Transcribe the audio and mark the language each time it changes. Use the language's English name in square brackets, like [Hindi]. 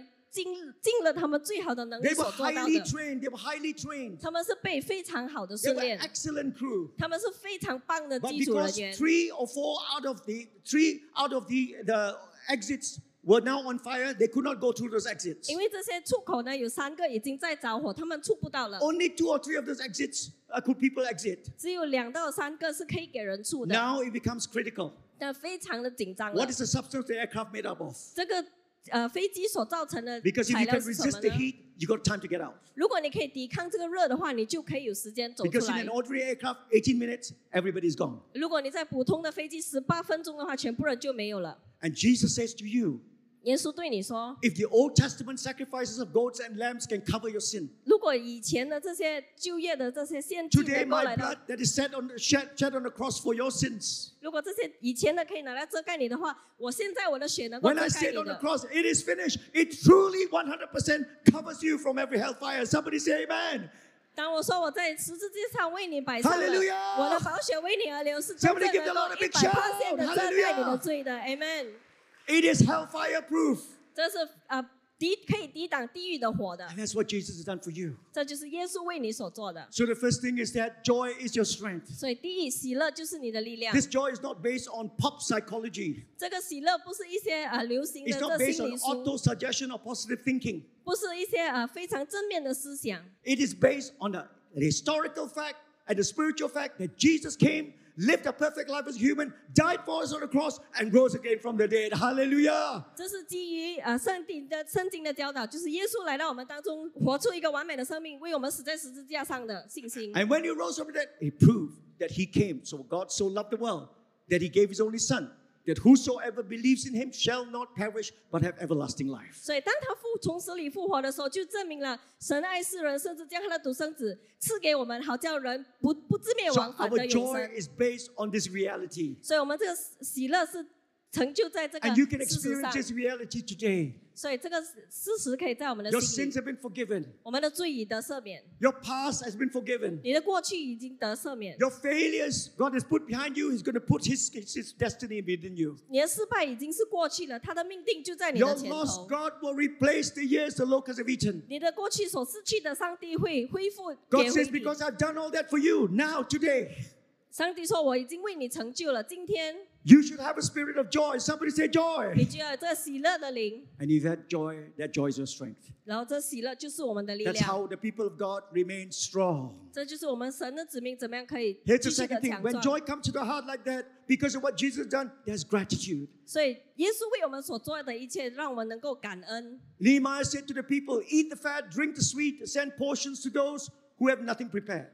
[Chinese] 尽了他们最好的能力所做到的 [English] They were highly trained. They were highly trained. [Chinese] 他们是被非常好的训练。 [English] They were excellent crew. [Chinese] 他们是非常棒的机组人员。 [English] But because three out of the exits were now on fire, they could not go through those exits. [Chinese] 因为这些出口呢, 有三个已经在着火, 他们出不到了。 [English] Only two or three of those exits could people exit. [Chinese] 只有两到三个是可以给人出的。 [English] Now it becomes critical. What is the substance the aircraft made up of? [Chinese] 这个飞机所造成的材料是什么呢? [English] Because if you can resist the heat, you got time to get out. [Chinese] 如果你可以抵抗这个热的话, 你就可以有时间走出来。 [English] Because in an ordinary aircraft, 18 minutes, everybody's gone. [Chinese] 如果你在普通的飞机 18分钟的话, 全部人就没有了。 [English] And Jesus says to you, [Chinese] 耶稣对你说, [English] if the Old Testament sacrifices of goats and lambs can cover your sin, [Chinese] 如果以前的这些旧约的这些献祭, [English] today my blood that is shed on the cross for your sins, [Chinese] 如果这些以前的可以拿来遮盖你的话, 我现在我的血能够遮盖你的, [English] when I stand on the cross, it is finished. It truly 100% covers you from every hellfire. Somebody say amen. [Chinese] 当我说我在十字架上为你摆上了, [English] hallelujah! [Chinese] 我的宝血为你而流, 是真正能够100%的遮盖你的罪的, [English] amen. It is hellfire proof. [Chinese] 这是, 可以抵挡地狱的火的。 [English] And that's what Jesus has done for you. [Chinese] 这就是耶稣为你所做的。 [English] So the first thing is that joy is your strength. [Chinese] 所以第一, 喜乐就是你的力量。 [English] This joy is not based on pop psychology. [Chinese] 这个喜乐不是一些, 流行的, [English] it's not based on auto-suggestion or positive thinking. [Chinese] 不是一些, 非常正面的思想。 [English] It is based on the historical fact and the spiritual fact that Jesus came, lived a perfect life as a human, died for us on the cross, and rose again from the dead. Hallelujah! [Chinese] 这是基于, 圣经的教导, 就是耶稣来到我们当中, 活出一个完美的生命, 为我们死在十字架上的信心。 [English] And when he rose from the dead, he proved that he came. So God so loved the world that he gave his only son, that whosoever believes in him shall not perish, but have everlasting life. [Chinese] 所以当他从死里复活的时候, 就证明了神爱世人甚至将他的独生子, 赐给我们, 好叫人, 不自灭亡, [English] so our joy is based on this reality. [Chinese] 所以我们这个喜乐是成就在这个事实上。 [English] And you can experience this reality today. [Chinese] 所以这个事实可以在我们的心里。 [English] Your sins have been forgiven. [Chinese] 我们的罪已得赦免。 [English] Your past has been forgiven. [Chinese] 你的过去已经得赦免。 [English] Your failures God has put behind you, he's going to put his destiny within you. [Chinese] 你的失败已经是过去了, 他的命定就在你的前头。 [English] Your lost God will replace the years the locusts have eaten. [Chinese] 你的过去所失去的上帝会恢复。 [English] God says, because I've done all that for you, now, today, [Chinese] 上帝说我已经为你成就了, 今天, [English] you should have a spirit of joy. Somebody say joy. [Chinese] 你就要有这喜乐的灵。 [English] And if that joy, that joy is your strength. [Chinese] 然后这喜乐就是我们的力量。 [English] That's how the people of God remain strong. [Chinese] 这就是我们神的子民怎么样可以。 [English] Here's the second thing. When joy comes to the heart like that, because of what Jesus has done, there's gratitude. [Chinese] 所以耶稣为我们所做的一切, 让我们能够感恩。 [English] Nehemiah said to the people, eat the fat, drink the sweet, send portions to those who have nothing prepared.